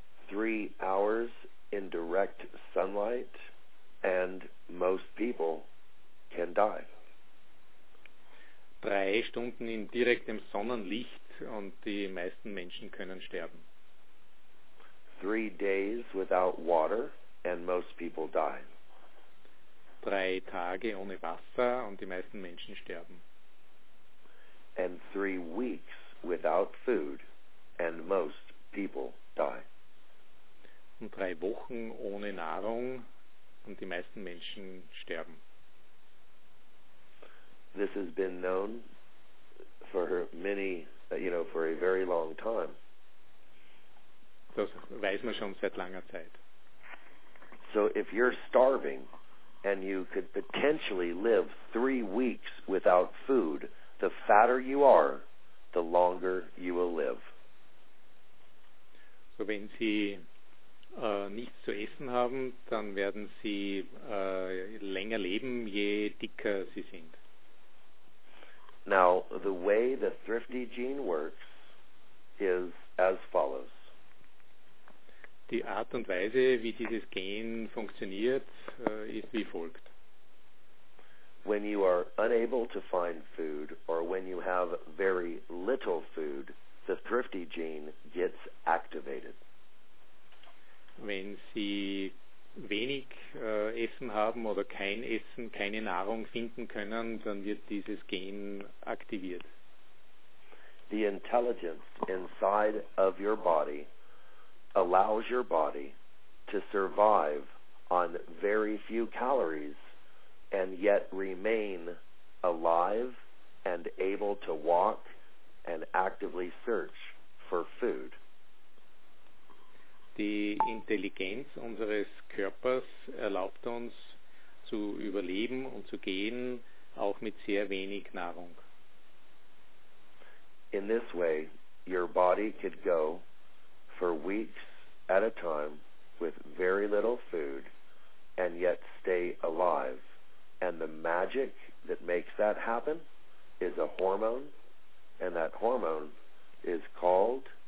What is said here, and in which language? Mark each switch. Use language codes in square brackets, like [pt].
[en] 3 hours in direct sunlight, and most people can die. [de] 3 Stunden in direktem Sonnenlicht und die meisten Menschen können sterben. [en] 3 days without water and most people die. [de] 3 Tage ohne Wasser und die meisten Menschen sterben. [en] And 3 weeks without food and most people die. [de] Und 3 Wochen ohne Nahrung und die meisten Menschen sterben. [en] This has been known for many, you know, for a very long time. [de] Das weiß man schon seit langer Zeit. [en] So if you're starving and you could potentially live 3 weeks without food, the fatter you are, the longer you will live. [de] So wenn Sie nichts zu essen haben, dann werden sie länger leben, je dicker sie sind. [en] Now, the way the thrifty gene works is as follows. [de] Die Art und Weise, wie dieses Gen funktioniert, ist wie folgt. [en] When you are unable to find food or when you have very little food, the thrifty gene gets activated. [de] Wenn Sie wenig Essen haben oder kein Essen, keine Nahrung finden können, dann wird dieses Gen aktiviert. [en] The intelligence inside of your body allows your body to survive on very few calories and yet remain alive and able to walk and actively search for food. [de] Die Intelligenz unseres Körpers erlaubt uns zu überleben und zu gehen, auch mit sehr wenig Nahrung. [en] In this way, your body could go for weeks at a time with very little food and yet stay alive. And the magic that makes that happen is a hormone, and that hormone is called